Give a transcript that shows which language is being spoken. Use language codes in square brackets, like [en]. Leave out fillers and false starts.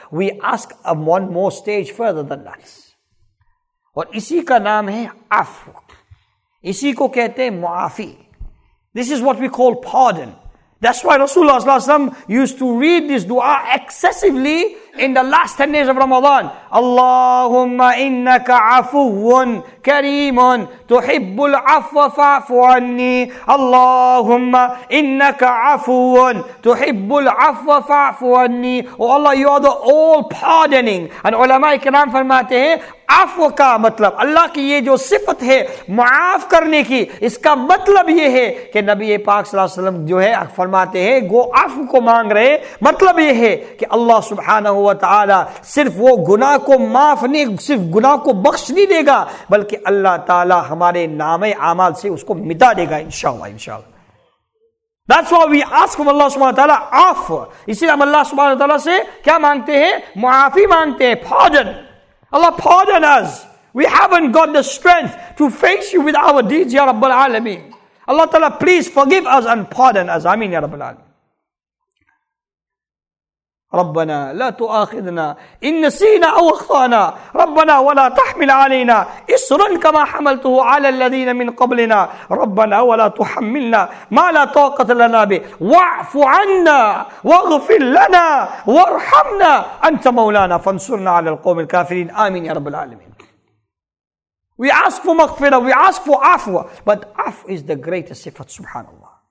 [en] We ask of one more stage further than that. [ur] اور اسی کا نام ہے عفو. اسی کو کہتے ہیں معافی. [en] This is what we call pardon. That's why Rasulullah صلی اللہ علیہ وسلم used to read this dua excessively in the last 10 days of Ramadan. [ar] اللہم انکا عفو کریم تحب العفو فاعف عنی اللہم انکا عفو تحب العفو فاعف عنی [en] Oh Allah, you are the all-pardoning. [ur] And علماء کرام فرماتے ہیں عفو کا مطلب اللہ کی یہ جو صفت ہے معاف کرنے کی اس کا مطلب یہ ہے کہ نبی پاک صلی اللہ علیہ وسلم جو ہے فرماتے ہیں گو عفو کو مانگ رہے مطلب یہ ہے کہ اللہ سبحانہ وتعالی صرف وہ گناہ کو معاف نہیں صرف گناہ کو بخش نہیں دے گا بلکہ اللہ تعالی ہمارے نام اعمال سے اس کو مٹا دے گا انشاءاللہ [en] That's why we ask from Allah subhanahu wa ta'ala [ur] عفو اسی لئے ہم اللہ سبحانہ وتعالی سے کیا مانگتے ہیں معافی مانگتے ہیں [en] pardon Allah, pardon us. We haven't got the strength to face you with our deeds, Ya Rabbul Alameen. Allah Ta'ala, please forgive us and pardon us. Ameen, Ya Rabbul Alameen. [ar] ربنا لا تؤاخذنا إن نسينا أو أخطأنا ربنا ولا تحمل علينا إصرا كما حملته على الذين من قبلنا ربنا ولا تحملنا ما لا طاقة لنا به واعف عنا واغفر لنا وارحمنا أنت مولانا فانصرنا على القوم الكافرين آمين يا رب العالمين [en] We ask for maghfirah, we ask for afwa, but afw is the greatest sifat, subhanAllah.